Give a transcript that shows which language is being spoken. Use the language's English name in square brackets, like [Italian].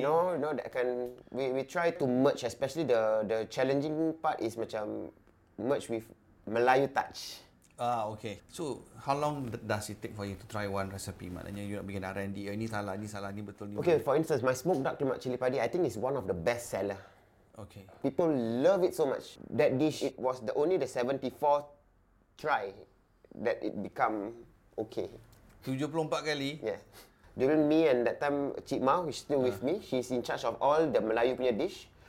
[English] You know that can we try to merge, especially the challenging part is [Malay] macam [English] merge with Melayu touch. Okay. So how long does it take for you to try one recipe? [Malay] Maknanya you nak bikin R&D, ini salah, ini betul, ni. [English] Okay, for instance, my smoked duck lemak cili padi, I think is one of the best seller. Okay. People love it so much. That dish, it was only the 74th try that it become okay. [Malay] 74 kali? [English] Yeah. During me and that time, Cik Mao, who's still with me, she's in charge of all the Melayu [Malay] punya [English] dish.